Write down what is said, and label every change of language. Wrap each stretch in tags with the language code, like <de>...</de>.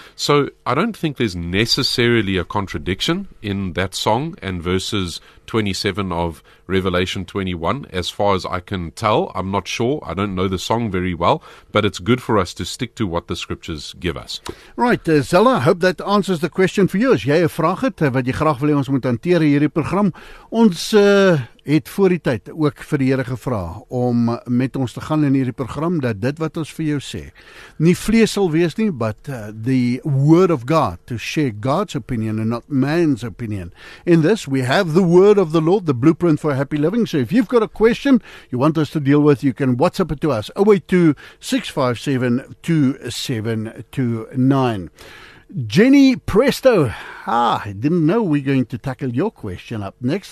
<en>So I don't think there's necessarily a contradiction in that song and verses 27 of Revelation 21. As far as I can tell, I'm not sure. I don't know the song very well, but it's good for us to stick to what the scriptures give us. Right, Zella, I hope that answers the question for you.</en> <af>As jy 'n vraag het wat jy graag wil hê ons moet hanteer hierdie program, ons het voor die tyd ook vir die Here gevra om met ons te gaan in hierdie program, dat dit wat ons vir jou sê nie vlees sal wees nie,</af> <en>but the word of God, to share God's opinion and not man's opinion. In this we have the word of the Lord, the blueprint for happy living. So if you've got a question you want us to deal with, you can WhatsApp it to us, 0826572729. Jenny Presto, I didn't know we're going to tackle your question up next.</en>